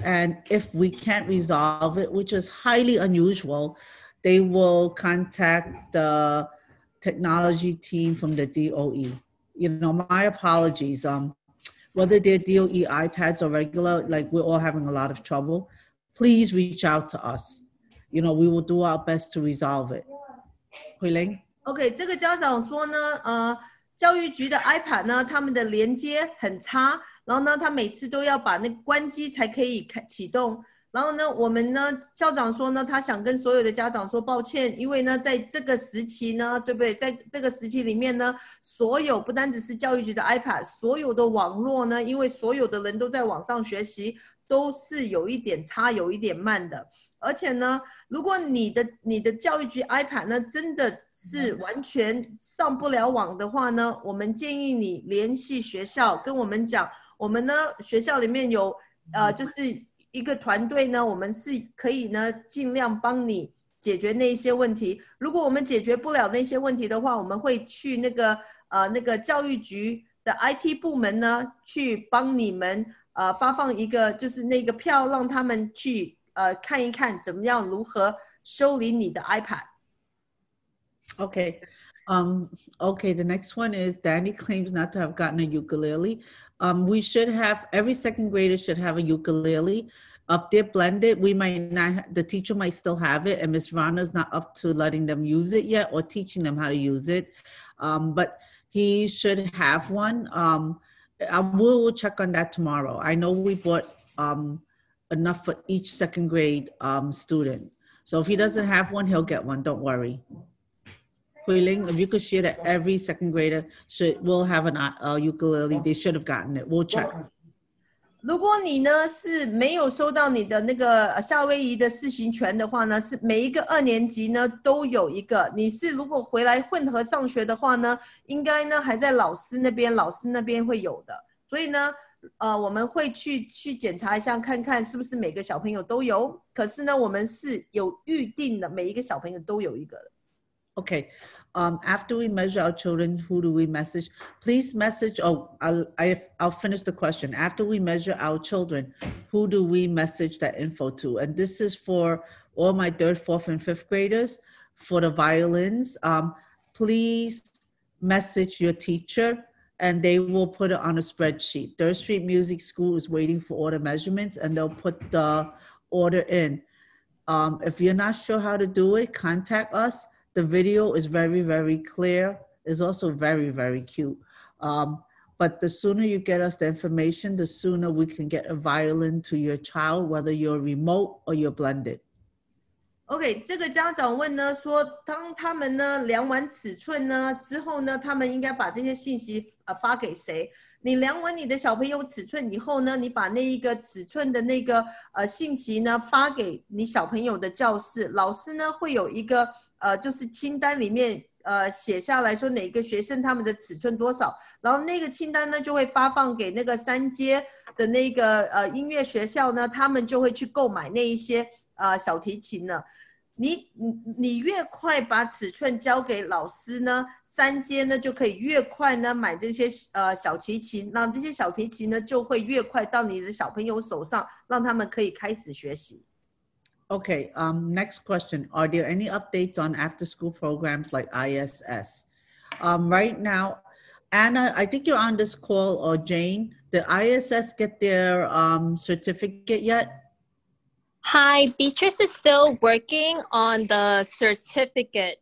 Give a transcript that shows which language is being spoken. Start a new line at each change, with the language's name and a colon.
English: And if we can't resolve it, which is highly unusual, they will contact the technology team from the DOE. You know, my apologies. Whether they're DOE iPads or regular, like we're all having a lot of trouble, please reach out to us. You know, we will do our best to resolve it. Huiling?
Chinese: Okay, 这个家长说呢，教育局的 iPad 呢，他们的连接很差，然后呢，他每次都要把那关机才可以启动。然后呢，我们呢，校长说呢，他想跟所有的家长说抱歉，因为呢，在这个时期呢，对不对？在这个时期里面呢，所有不单只是教育局的 iPad， 所有的网络呢，因为所有的人都在网上学习，都是有一点差，有一点慢的。而且呢，如果你的教育局 iPad 呢，真的是完全上不了网的话呢，我们建议你联系学校，跟我们讲，我们呢学校里面有就是。一个团队呢我们是可以呢尽量帮你解决那些问题如果我们解决不了那些问题的话我们会去那个那个教育局的 IT 部门呢去帮你们发放一个就是那个票让他们去看一看怎么样如何修理你的 iPad
English: okay okay the next one is Danny claims not to have gotten a ukulele we should have, every second grader should have a ukulele. If they're blended, we might not, the teacher might still have it, and Ms. Rana's not up to letting them use it yet or teaching them how to use it. But he should have one. We will check on that tomorrow. I know we bought enough for each second grade student. So if he doesn't have one, he'll get one. Don't worry. Huiling, if you could share that every second grader will have an ukulele, they should have gotten it. We'll check.
Chinese: 如果你呢是没有收到你的那个夏威夷的试行权的话呢，是每一个二年级呢都有一个。你是如果回来混合上学的话呢，应该呢还在老师那边，老师那边会有的。所以呢，我们会去检查一下，看看是不是每个小朋友都有。可是呢，我们是有预定的，每一个小朋友都有一个的。 Okay.
English: After we measure our children, who do we message? Please message. I'll finish the question. After we measure our children, who do we message that info to? And this is for all my third, fourth, and fifth graders for the violins. Please message your teacher and they will put it on a spreadsheet. Third Street Music School is waiting for all the measurements and they'll put the order in. If you're not sure how to do it, contact us. The video is very, very clear. It's also very, very cute. But the sooner you get us the information, the sooner we can get a violin to your child, whether you're remote or you're blended.
Chinese: OK, 这个家长问呢，说当他们呢量完尺寸呢之后呢，他们应该把这些信息发给谁？你量完你的小朋友尺寸以后呢，你把那一个尺寸的那个信息呢发给你小朋友的教室，老师呢会有一个就是清单里面写下来说哪个学生他们的尺寸多少，然后那个清单呢就会发放给那个三阶的那个音乐学校呢，他们就会去购买那一些小提琴了。你越快把尺寸交给老师呢，三阶呢就可以越快呢买这些小提琴，让这些小提琴呢就会越快到你的小朋友手上，让他们可以开始学习。
English: Okay, next question. Are there any updates on after school programs like ISS? Right now, Anna, I think you're on this call, or Jane, did ISS get their certificate yet? Hi, Beatrice is still working on the certificate.